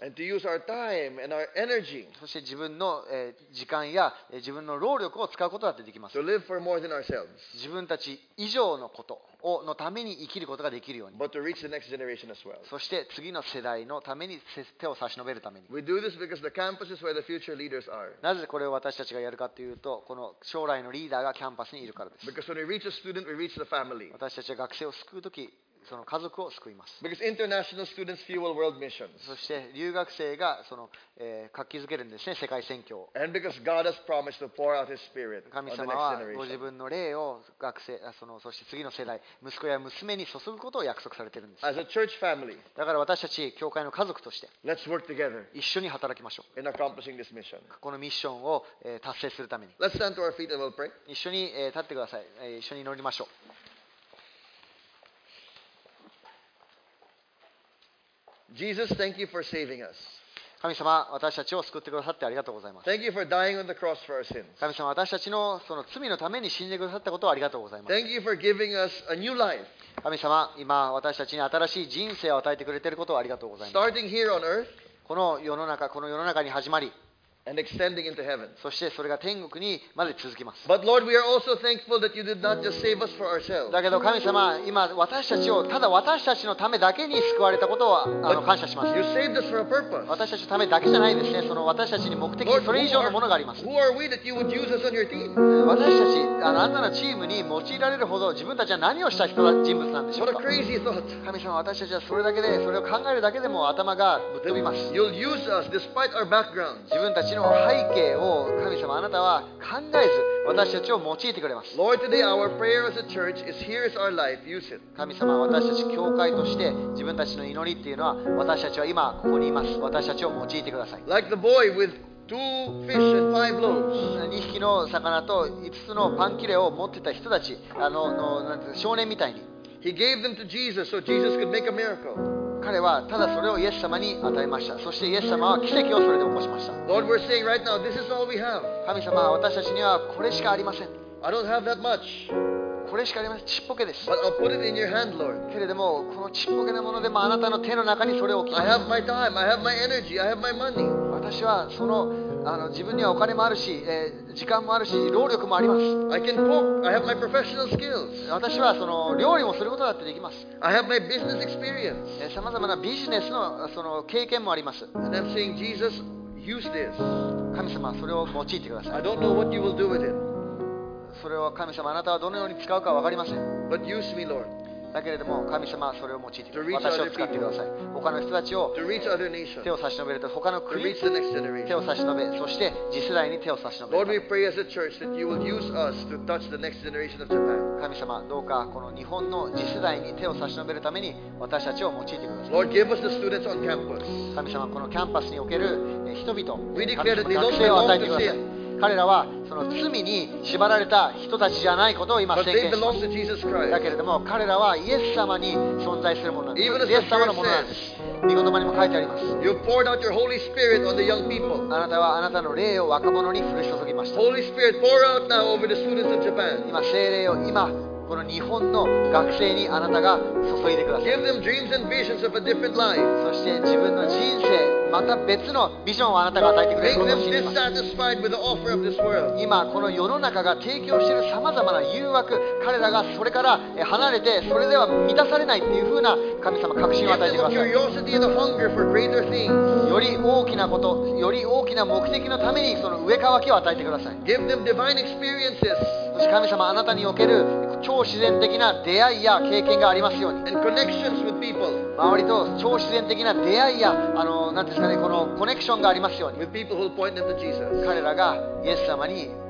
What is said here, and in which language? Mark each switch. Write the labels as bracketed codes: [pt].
[en] And to use our time and our energy. [ja] そして自分の時間や自分の労力を使うことだってできます。 [en] To live for more than ourselves. [ja] 自分たち以上のことをのために生きることができるように。 [en] But to reach the next generation as well. [ja] そして次の世代のために手を差し伸べるために。 [en] We do this because the campus is where the future leaders are. [ja] なぜこれを私たちがやるかというと、この将来のリーダーがキャンパスにいるからです。 [en] Because when we reach a student, we reach the family. [ja] 私たちは学生を救うとき、その家族を救います。 [en] Because international students fuel world missions. [ja] そして留学生がその、活気づけるんですね、世界宣教を。 [en] And because God has promised to pour out His Spirit on the next generation. [ja] 神様はご自分の霊を学生、そして次の世代、息子や娘に注ぐことを約束されているんです。 [en] As a church family. [ja] だから私たち教会の家族として、 [en] Let's work together. [ja] 一緒に働きましょう。 [en] In accomplishing this mission. [ja] このミッションを、達成するために。 [en] Let's stand to our feet and we'll pray. [ja] 一緒に、立ってください。一緒に祈りましょう。 [en] Jesus, thank you for saving us. [ja] 神様、私たちを救ってくださってありがとうございます。 [en] Thank you for dying on the cross for our sins. [ja] 神様、私たちのその罪のために死んでくださったことをありがとうございます。 [en] Thank you for giving us a new life. [ja] 神様、今私たちに新しい人生を与えてくれていることをありがとうございます。 [en] Starting here on earth. [ja] この世の中に始まり。 [en] And extending into heaven. [ja] そしてそれが天国にまで続きます。 [en] But Lord, we are also thankful that you did not just save us for ourselves. [ja] だけど神様、今私たちをただ私たちのためだけに救われたことを感謝します。 [en] You saved us for a purpose. [ja] 私たちのためだけじゃないですね。その私たちに目的、それ以上のものがあります。 [en] Who are we that you would use us on your team? [ja] 私たち、あなたのチームに用いられるほど自分たちは何をした人物なんでしょうか。 [en] What a crazy thought. [ja] 神様、私たちはそれだけで、それを考えるだけでも頭がぶっ飛びます。 [en] You'll use us despite our backgrounds. [ja] 自分たち私たちの背景を神様あなたは考えず私たちを用いてくれます。 [en] Lord, today our prayer as a church is here is our life. Use it. [ja] 神様私たち教会として自分たちの祈りっていうのは私たちは今ここにいます。私たちを用いてください。 [en] Like the boy with two fish and five loaves. [ja] 2匹の魚と5つのパン切れを持ってた人たち、なんて少年みたいに。 [en] He gave them to Jesus so Jesus could make a miracle. [ja] 彼はただそれをイエス様に与えました。そしてイエス様は奇跡をそれで起こしました。 [en] Lord, we're saying right now, this is all we have. [ja] 神様、私たちにはこれしかありません。 [en] I don't have that much. [ja] これしかありません。ちっぽけです。 [en] But I'll put it in your hand, Lord. [ja] けれども、このちっぽけなものでもあなたの手の中にそれを置きます。 [en] I have my time, I have my energy, I have my money. [ja] 私はその自分にはお金もあるし、時間もあるし、労力もあります。 [en] I can cook. I have my professional skills. [ja] 私はその料理もすることだってできます。 [en] I have my business experience. [ja] さまざまなビジネスの、その経験もあります。 [en] And I'm saying, Jesus, use this. [ja] 神様、それを用いてください。 [en] I don't know what you will do with it. [ja] それを神様、あなたはどのように使うかわかりません。 [en] But use me, Lord. [ja] だけれども神様はそれを用いてください。私を使ってください。他の人たちを手を差し伸べると他の国に手を差し伸べ、そして次世代に手を差し伸べる。 [en] Lord, we pray as a church that you will use us to touch the next generation of Japan. [ja] 神様、どうかこの日本の次世代に手を差し伸べるために私たちを用いてください。 [en] Lord, give us the students on campus. [ja] 神様、このキャンパスにおける人々、学生を与えてください。彼らはその罪に縛られた人たちじゃないことを今宣言します。だけれども彼らはイエス様に存在するものなんです。イエス様のものなんです。御言葉にも書いてあります。 [en] You poured out your Holy Spirit on the young people. [ja] あなたはあなたの霊を若者に降り注ぎました。 [en] Holy Spirit, pour out now over the students of Japan. [ja] 今聖霊を今この日本の学生にあなたが注いでください。 [en] Give them dreams and visions of a different life. [ja] そして自分の人生また別のビジョンをあなたが与えてくれることを信じます。 [en] Make them dissatisfied with the offer of this world. [ja] 今この世の中が提供しているさまざまな誘惑、彼らがそれから離れてそれでは満たされないっていうふうな神様確信を与えてください。 [en] Give them curiosity and a hunger for greater things. [ja] より大きなこと、より大きな目的のためにその上かわきを与えてください。 [en] Give them divine experiences. [ja] もし神様あなたにおける超自然的な出会いや経験がありますように周りと超自然的な出会いやなんですかね、このコネクションがありますように彼らがイエス様に